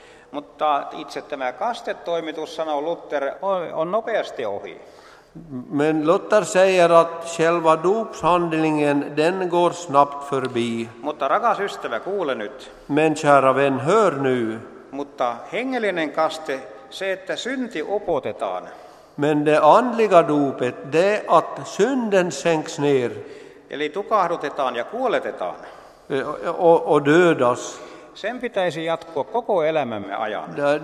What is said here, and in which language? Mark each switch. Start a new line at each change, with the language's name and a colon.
Finnish: Mutta itse tämä kastetoimitus, sanoo Luther, on nopeasti ohi.
Swedish: Men Luther säger att själva dopshandlingen, den går snabbt förbi.
Finnish: Mutta rakas ystävä, kuule nyt.
Swedish: Men kära vän, hör nu.
Finnish: Mutta hengellinen kaste, se että synti upotetaan.
Swedish: Men det andliga dopet, det att synden sänks ner.
Finnish: Eli tukahdutetaan ja kuoletetaan.
Swedish: Och dödas.
Finnish: Sen pitäisi jatkua koko elämämme ajan.